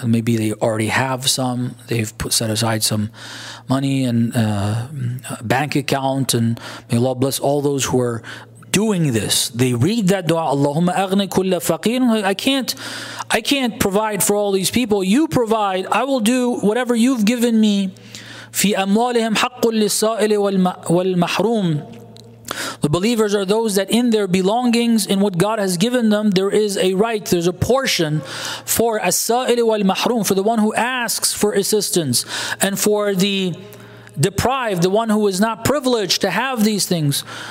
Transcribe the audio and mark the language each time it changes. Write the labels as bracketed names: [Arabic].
[English] Maybe they already have some. They've set aside some money and bank account. And may Allah bless all those who are doing this. They read that dua, [Arabic] Allahumma aghni kulla faqir. [English] I can't provide for all these people. You provide. I will do whatever you've given me. [Arabic] في أموالهم حق للسائل والمحروم. [English] The believers are those that in their belongings, in what God has given them, there is a right, there's a portion for [Arabic] السائل والمحروم, [English] for the one who asks for assistance, and for the deprived, the one who is not privileged to have these things.